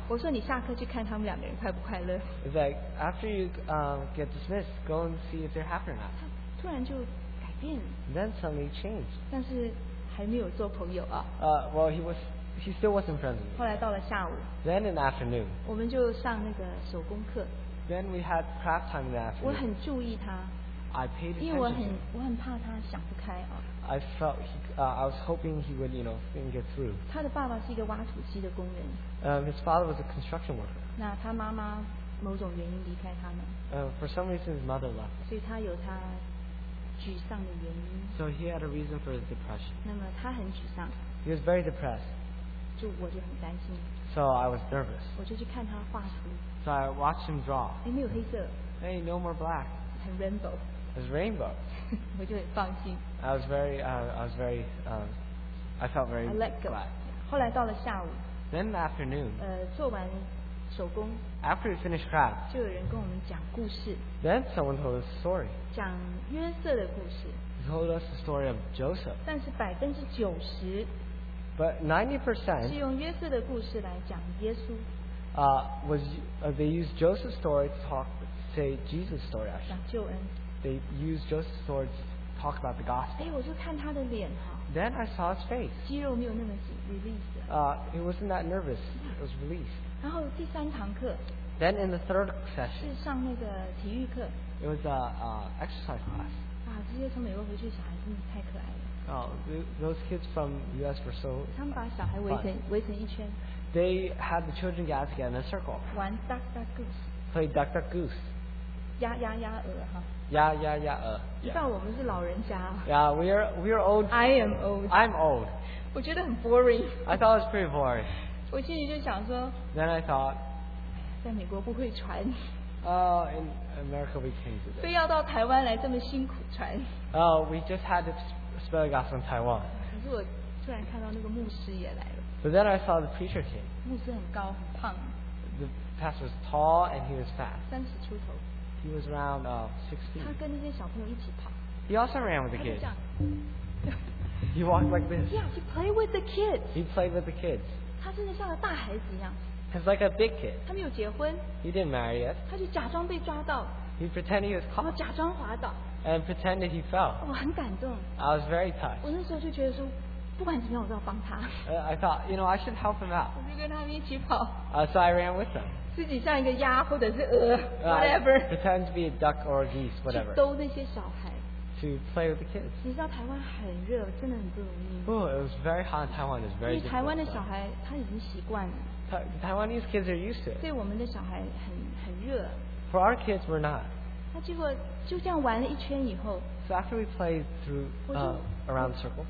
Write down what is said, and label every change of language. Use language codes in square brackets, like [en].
[zh] 我说你下课去看他们两个人快不快乐。 [en] He's like, after you get dismissed, go and see if they're happy or not. [zh] 他突然就改变。 [en] Then suddenly changed. [zh] 但是。还没有做朋友啊。 [en] Well, he still wasn't friends with me. [zh] 后来到了下午。 [en] Then in the afternoon. [zh] 我们就上那个手工课。 [en] Then we had craft time in the afternoon. [zh] 我很注意他。 [en] I paid attention. [zh] 因为我很怕他想不开啊。 [en] I felt I was hoping he would, you know, think it through. [zh] 他的爸爸是一个挖土机的工人。 [en] His father was a construction worker. [zh] 那他妈妈某种原因离开他们。 [en] For some reason, his mother left. [zh] 所以他有他。沮丧的原因。 [en] So he had a reason for his depression. [zh] 那么他很沮丧。 [en] He was very depressed. [zh] 就我就很担心。 [en] So I was nervous. [zh] 我就去看他画图。 [en] So I watched him draw. [zh] 哎，没有黑色。 [en] Hey, no more black. [zh] 很 rainbow. [en] It was rainbow. [zh] 我就很放心。 [en] I felt very I let go. Glad. [zh] 后来到了下午。 [en] Then in the afternoon. [zh] 做完手工。 [en] After we finished craft, [zh] 就有人跟我们讲故事。 [en] Then someone told us a story. [zh] 讲约瑟的故事。 [en] He told us the story of Joseph. [zh] 但是90%。 [en] But 90%. [zh] 是用约瑟的故事来讲耶稣。 [en] They used Joseph's story to talk, say Jesus' story actually. [zh] 讲救恩。 [en] They used Joseph's story to talk about the gospel. [zh] 哎，我就看他的脸哈。 [en] Then I saw his face. [zh] 肌肉没有那么 released. [en] He wasn't that nervous. It was released. [zh] 然后第三堂课。 [en] Then in the third session. [zh] 是上那个体育课。 [en] It was a exercise class. [zh] 啊，这些从美国回去小孩真的太可爱了。 [en] Those kids from U.S. were so. [zh] 他们把小孩围成一圈。 [en] They had the children gathered together in a circle. 玩 duck duck goose. Play duck duck goose. [zh] 鸭鸭鸭鹅哈。鸭鹅。你知道我们是老人家。 [en] Yeah, we are old. I am old. I'm old. [zh] 我觉得很 boring. [en] I thought it was pretty boring. [zh] 我心里就想说。 [en] Then I thought. [zh] 在美国不会传。 [en] In America we came today. [zh] 非要到台湾来这么辛苦传。 [en] We just had to spell God from Taiwan. [zh] 可是我突然看到那个牧师也来了。 [en] But then I saw the preacher came. [zh] 牧师很高很胖。 [en] The pastor was tall and he was fat. [zh] 30出头。 [en] He was around 60. [zh] 他跟那些小朋友一起跑。 [en] He also ran with the kids. He walked like this. Yeah, he played with the kids. He played with the kids. [zh] 他真的像个大孩子一样。 [en] He's like a big kid. [zh] 他没有结婚。 [en] He didn't marry yet. [zh] 他就假装被抓到。 [en] He pretended he was caught. [zh] 假装滑倒。 [en] And pretended he fell. [zh] 我很感动。 [en] I was very touched. [zh] 我那时候就觉得说，不管怎么样，我都要帮他。 [en] I thought, you know, I should help him out. [zh] 我就跟他们一起跑。 [en] So I ran with them. [zh] 自己像一个鸭或者是鹅 ，whatever. [en] Pretend to be a duck or a geese, whatever. [zh] 去逗那些小孩。 [en] To play with the kids. [zh] 你知道台湾很热，真的很不容易。 [en] It was very hot in Taiwan. It was very. [zh] 因为台湾的小孩他已经习惯了。 [en] Taiwanese kids are used to it. [zh] 对我们的小孩很热。 [en] For our kids, we're not. [zh] 那结果就这样玩了一圈以后。 [en] So after we played through around the circle.